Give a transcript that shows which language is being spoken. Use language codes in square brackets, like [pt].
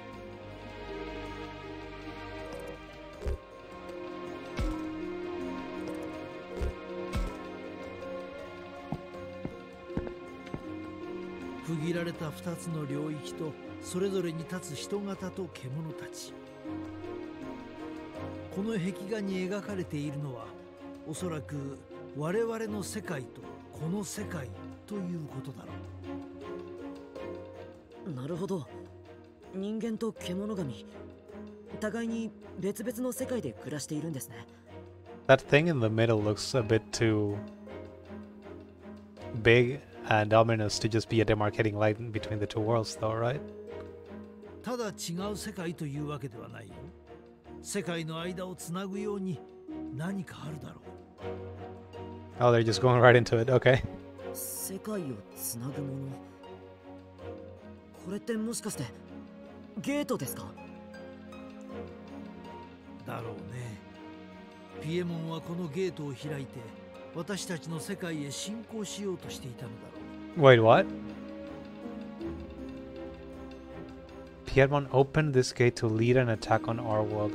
[ja] 区切られた2つの領域とそれぞれに立つ人型と獣たち。この壁画に描かれているのはおそらく 我々の世界とこの世界ということだろう。なるほど。人間と獣神、互いに別々の世界で暮らしているんですね。 [en] That thing in the middle looks a bit too big and ominous to just be a demarcating line between the two worlds though, right? [ja] ただ違う世界というわけではないよ。世界の間をつなぐように何かあるだろう。 [en] Oh, they're just going right into it. Okay. [ja] 世界をつなぐもの。これってもしかしてゲートですか？だろうね。ピエモンはこのゲートを開いて私たちの世界へ侵攻しようとしていたのだろう。 [en] Wait, what? Piedmon opened this gate to lead an attack on our world.